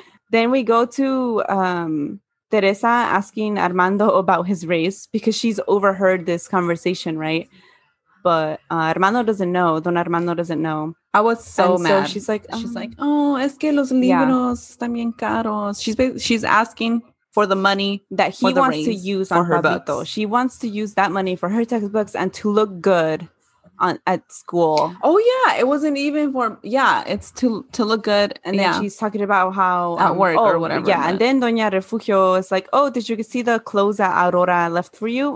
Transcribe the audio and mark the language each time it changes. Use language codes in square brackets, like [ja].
[en] Then we go to Teresa asking Armando about his race because she's overheard this conversation, right? But Armando doesn't know. Don Armando doesn't know. I was so mad. So she's like, [es] oh, es que los libros están bien caros. [en] She's asking for the money that he wants to use on her books. She wants to use that money for her textbooks and to look good at school. Oh yeah, it wasn't even for it's to look good. And then she's talking about how at work or whatever. Yeah, and then Doña Refugio is like, "Oh, did you see the clothes that Aurora left for you?"